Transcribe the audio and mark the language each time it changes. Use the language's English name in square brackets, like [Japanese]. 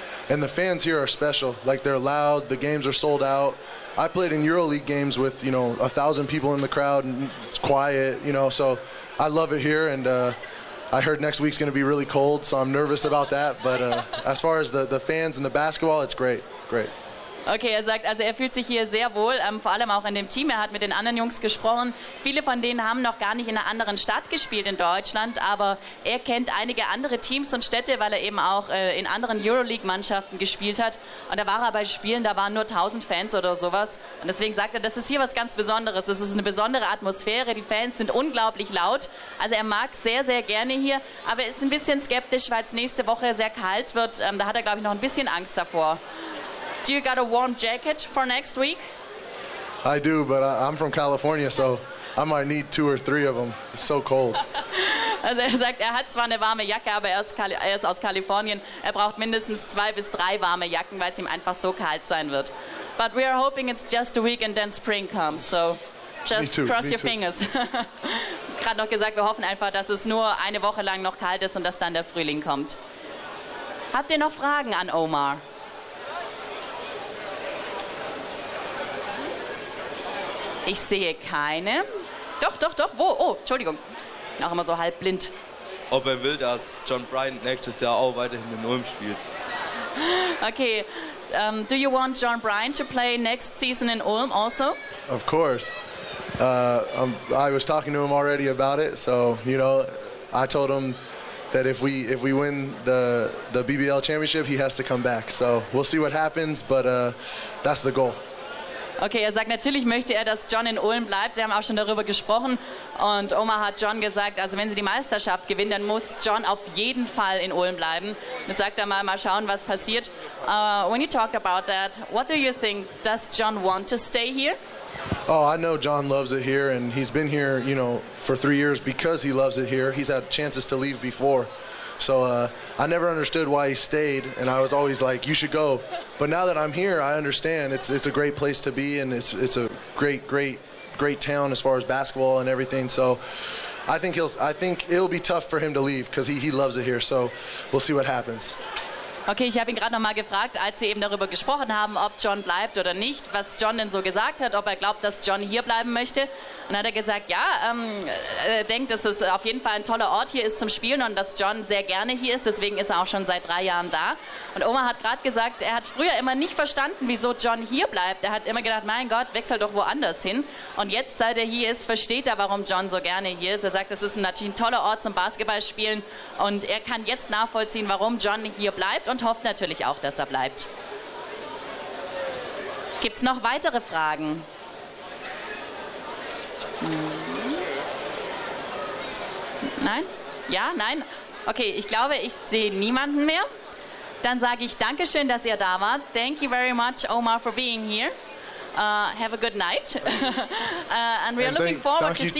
[English] And the fans here are special. Like, they're loud. The games are sold out. I played in EuroLeague games with, you know, 1,000 people in the crowd, and it's quiet, you know. So I love it here, and I heard next week's going to be really cold, so I'm nervous about that. But as far as the fans and the basketball, it's great, great. [German] Okay, er sagt, also er fühlt sich hier sehr wohl, vor allem auch in dem Team. Er hat mit den anderen Jungs gesprochen. Viele von denen haben noch gar nicht in einer anderen Stadt gespielt in Deutschland, aber er kennt einige andere Teams und Städte, weil er eben auch in anderen Euroleague-Mannschaften gespielt hat. Und da war er bei Spielen, da waren nur 1000 Fans oder sowas. Und deswegen sagt er, das ist hier was ganz Besonderes. Es ist eine besondere Atmosphäre, die Fans sind unglaublich laut. Also er mag sehr, sehr gerne hier, aber er ist ein bisschen skeptisch, weil es nächste Woche sehr kalt wird. Da hat er, glaube ich, noch ein bisschen Angst davor. [English] Do you got a warm jacket for next week? I do, but I'm from California, so I might need 2 or 3 of them. It's so cold. [German] Also er sagt, er hat zwar eine warme Jacke, aber er ist aus Kalifornien. Er braucht mindestens 2 bis 3 warme Jacken, weil es ihm einfach so kalt sein wird. [English] But we are hoping it's just a week and then spring comes. So just cross your fingers. [German] Gerade noch gesagt, wir hoffen einfach, dass es nur eine Woche lang noch kalt ist und dass dann der Frühling kommt. Habt ihr noch Fragen an Omar? Ich sehe keine. Doch. Wo? Oh, Entschuldigung. Noch immer so halb blind. Ob er will, dass John Bryant nächstes Jahr auch weiterhin in Ulm spielt. [English] Okay. Do you want John Bryant to play next season in Ulm also? Of course. I was talking to him already about it. So, you know, I told him that if we win the BBL championship, he has to come back. So we'll see what happens, but that's the goal. [German] Okay, er sagt, natürlich möchte er, dass John in Ulm bleibt. Sie haben auch schon darüber gesprochen. Und Oma hat John gesagt, also wenn sie die Meisterschaft gewinnen, dann muss John auf jeden Fall in Ulm bleiben. Jetzt sagt er mal schauen, was passiert. [English] When you talk about that, what do you think? Does John want to stay here? Oh, I know John loves it here. And he's been here, you know, for 3 years because he loves it here. He's had chances to leave before. So I never understood why he stayed, and I was always like, you should go. But now that I'm here, I understand. It's a great place to be, and it's a great, great great town as far as basketball and everything. So I think it'll be tough for him to leave, because he loves it here. So we'll see what happens. [German] Okay, ich habe ihn gerade noch mal gefragt, als sie eben darüber gesprochen haben, ob John bleibt oder nicht, was John denn so gesagt hat, ob er glaubt, dass John hier bleiben möchte. Und dann hat er gesagt, ja, er denkt, dass es auf jeden Fall ein toller Ort hier ist zum Spielen und dass John sehr gerne hier ist, deswegen ist er auch schon seit 3 Jahren da. Und Oma hat gerade gesagt, er hat früher immer nicht verstanden, wieso John hier bleibt. Er hat immer gedacht, mein Gott, wechsel doch woanders hin. Und jetzt, seit er hier ist, versteht er, warum John so gerne hier ist. Er sagt, es ist natürlich ein toller Ort zum Basketballspielen und er kann jetzt nachvollziehen, warum John hier bleibt und hofft natürlich auch, dass er bleibt. Gibt es noch weitere Fragen? Nein? Ja? Nein? Okay, ich glaube, ich sehe niemanden mehr. Dann sage ich Dankeschön, dass ihr da wart. [English] Thank you very much, Omar, for being here. Have a good night. And we are looking forward to seeing you.